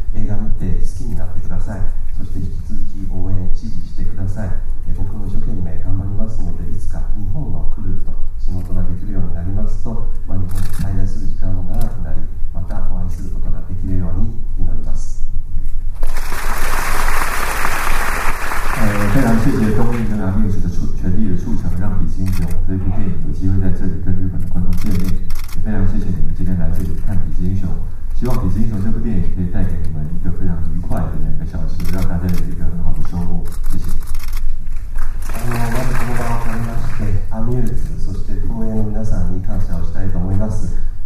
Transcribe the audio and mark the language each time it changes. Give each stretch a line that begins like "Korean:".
Japanese: 映画見て好きになってください。そして引き続き応援、支持してください。僕も一生懸命頑張りますので、いつか日本を来ると仕事ができるようになりますと、まあ、日本に滞在する時間も長くなり、またお会いすることができるように祈ります。
Chinese: 非常谢谢东映跟阿米尔斯的全力的促成，让比心给我们这部电影有机会在这里跟日本的观众见面，也非常谢谢你们今天来这里看比心英雄，希望比心英雄这部电影可以带给你们一个非常愉快的两个小时，让大家有一个很好的收获，谢谢。
Japanese: まずこの場を借りまして、アミューズ、そして東映の皆さんに感謝をしたいと思います。